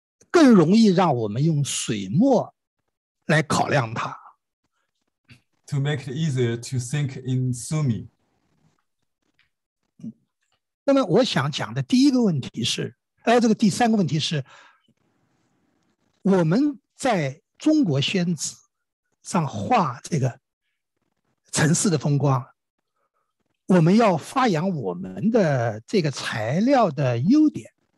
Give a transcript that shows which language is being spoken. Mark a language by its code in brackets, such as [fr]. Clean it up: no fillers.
[zh] 更容易让我们用水墨来考量它。 [en] To make it easier to think in sumi. [zh] 那么我想讲的第一个问题是，这个第三个问题是，我们在中国宣纸上画这个城市的风光，我们要发扬我们的这个材料的优点。